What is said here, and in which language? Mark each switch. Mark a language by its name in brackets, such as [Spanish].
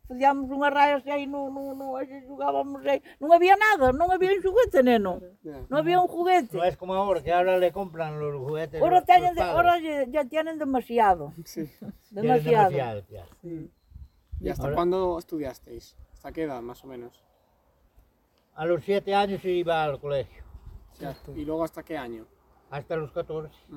[Galician] Fazíamos unha raia así aí, jugábamos aí. Non había nada, non había un juguete, neno. Non había un juguete. Non é como agora, que agora [Spanish] le compran [Galician] os juguetes. Ora teñen, ora [Spanish] ya tienen demasiado. Sí. Demasiado. Ya. Sí. ¿Y hasta cuándo estudiasteis? ¿Hasta qué edad, más o menos? A los 7 años iba al colegio. ¿Y luego hasta qué año? Hasta los 14.